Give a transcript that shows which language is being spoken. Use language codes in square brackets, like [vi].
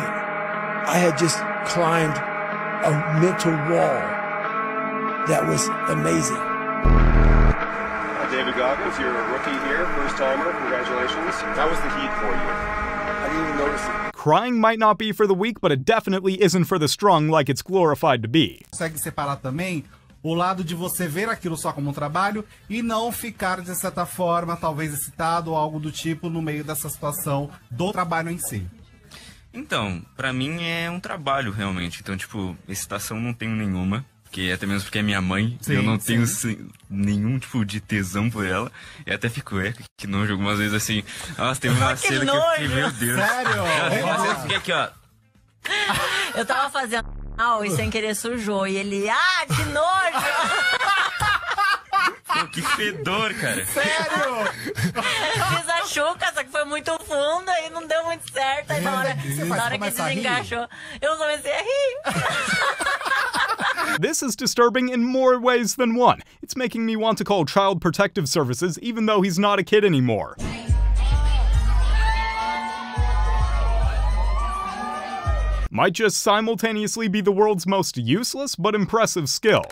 [en] I had just climbed a mental wall that was amazing. David, got with your rookie here, first timer. Congratulations. How was the heat for you? I didn't even notice it. Crying might not be for the weak, but it definitely isn't for the strong like it's glorified to be. [pt] Consegue separar também o lado de você ver aquilo só como um trabalho e não ficar, de certa forma, talvez excitado ou algo do tipo no meio dessa situação do trabalho em si. Então, pra mim é um trabalho realmente. Então, tipo, excitação não tenho nenhuma. Porque, até mesmo porque é minha mãe, sim, eu não tenho nenhum tipo de tesão por ela. E até fico, que nojo algumas vezes assim. Nossa, teve uma cena nojo. Que meu Deus. Sério? Uma cena, eu fiquei aqui, ó. Eu tava fazendo mal e sem querer sujou. E ele, que nojo! Pô, que fedor, cara. Sério? Fiz a chuca, só que foi muito fundo e não deu muito certo. Aí na hora que se encaixou, eu comecei a rir. [en] This is disturbing in more ways than one. It's making me want to call Child Protective Services, even though he's not a kid anymore. Might just simultaneously be the world's most useless but impressive skill.